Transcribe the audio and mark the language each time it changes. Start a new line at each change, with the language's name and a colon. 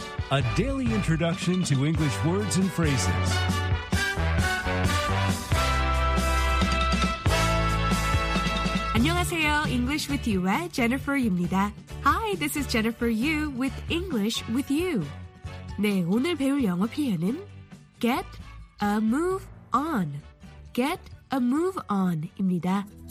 English: A daily introduction to English words and phrases.
Korean: English with you의 Jennifer입니다.
English: Hi, this is Jennifer Yu with English with you.
Korean: 네, 오늘 배울 영어 표현은
English: get a move on. Get a move on입니다.